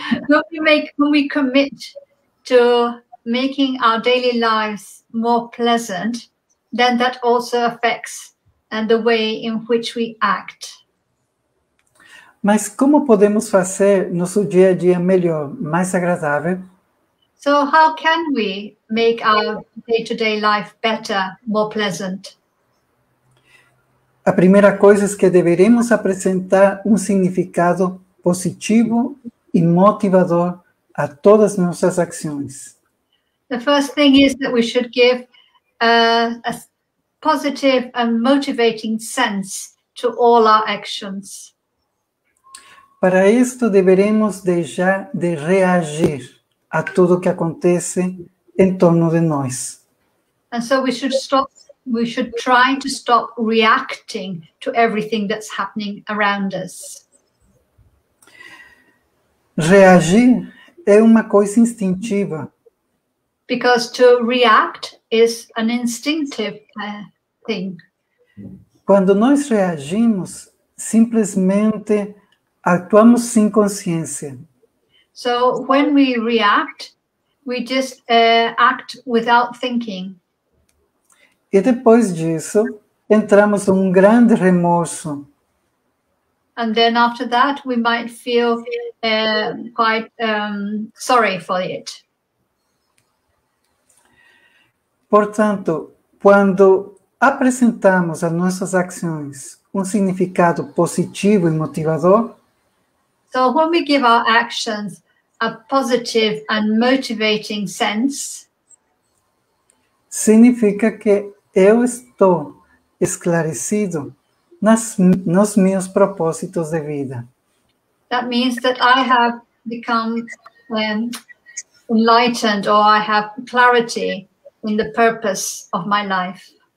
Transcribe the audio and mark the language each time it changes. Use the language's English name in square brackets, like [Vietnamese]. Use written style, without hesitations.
[English] When we commit to making our daily lives more pleasant, then that also affects the way in which we act. [Portuguese] Mas como podemos fazer nosso dia a dia melhor, mais agradável? [English] So how can we make our day-to-day life better, more pleasant? [Portuguese] A primeira coisa é que deveremos apresentar significado positivo e motivador a todas nossas ações. [English] The first thing is that we should give a positive and motivating sense to all our actions. [Portuguese] Para isto, deveremos deixar de reagir a tudo que acontece em torno de nós. [English] And so we should try to stop reacting to everything that's happening around us. [Portuguese] Reagir é uma coisa instintiva. [English] Because to react is an instinctive thing. [Portuguese] Quando nós reagimos, simplesmente atuamos sem consciência. [English] So when we react, we just act without thinking. [Portuguese] E depois disso, entramos num grande remorso. [English] And then after that, we might feel quite sorry for it. [Portuguese] Portanto, quando apresentamos a nossas ações significado positivo e motivador, [English] so when we give our actions a positive and motivating sense, [Portuguese] significa que eu estou esclarecido nos meus propósitos de vida. [English] That means that I have become enlightened or I have clarity in the purpose of my life.